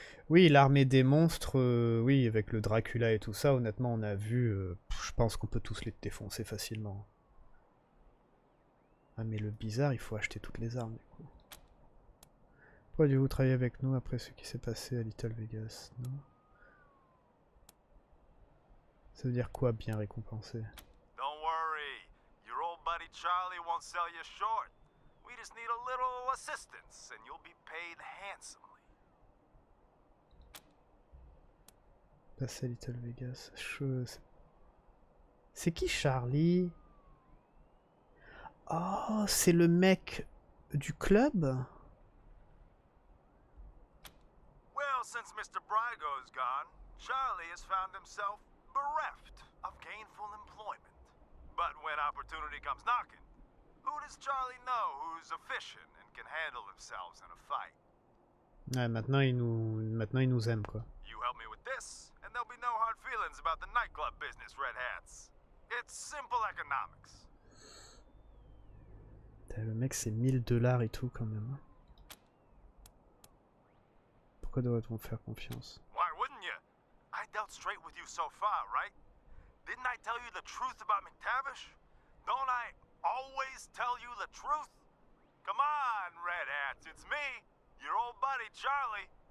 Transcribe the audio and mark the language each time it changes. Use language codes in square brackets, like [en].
[fr] Oui, l'armée des monstres, oui, avec le Dracula et tout ça, honnêtement, on a vu, je pense qu'on peut tous les défoncer facilement. Ah, mais le bizarre, il faut acheter toutes les armes, du coup. Pourquoi avez-vous travaillé avec nous après ce qui s'est passé à Little Vegas? Non. Ça veut dire quoi, bien récompensé? [en] Don't worry, your old buddy Charlie won't sell you short. We just need a little assistance, and you'll be paid handsome. [fr] Passer à Little Vegas. C'est qui Charlie? Oh, c'est le mec du club? [en] Well, since Mr. Brigo's gone, Charlie has found himself bereft of gainful employment. But when opportunity comes knocking, who does Charlie know who's efficient and can handle themselves in a fight? [fr] Ouais, maintenant il nous aime quoi. [en] You help me with this? And there'll be no hard feelings about the nightclub business, Red Hats. It's simple economics. [fr] Putain, le mec, c'est $1000 et tout, quand même. Pourquoi devrait-on faire confiance? [en] Why wouldn't you? I dealt straight with you so far, right? Didn't I tell you the truth about McTavish? Don't I always tell you the truth? Come on, Red Hats, it's me, your old buddy Charlie.